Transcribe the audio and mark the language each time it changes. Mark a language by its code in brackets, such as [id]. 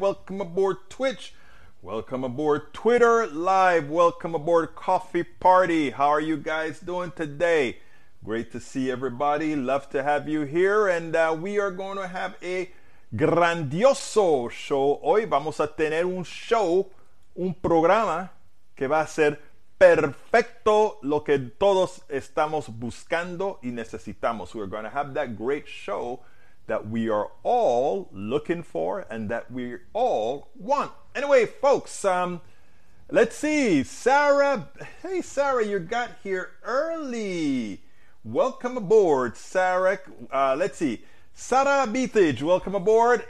[en] Welcome aboard Twitch. Welcome aboard Twitter Live. Welcome aboard Coffee Party. How are you guys doing today? Great to see everybody. Love to have you here. And we are going to have a grandioso show. [es] Hoy vamos a tener un show, un programa que va a ser perfecto, lo que todos estamos buscando y necesitamos. [en] We're going to have that great show that we are all looking for and that we all want. Anyway, folks, let's see. Sarah, hey Sarah, you got here early. Welcome aboard, Sarah. Let's see. Sara Beethage, welcome aboard.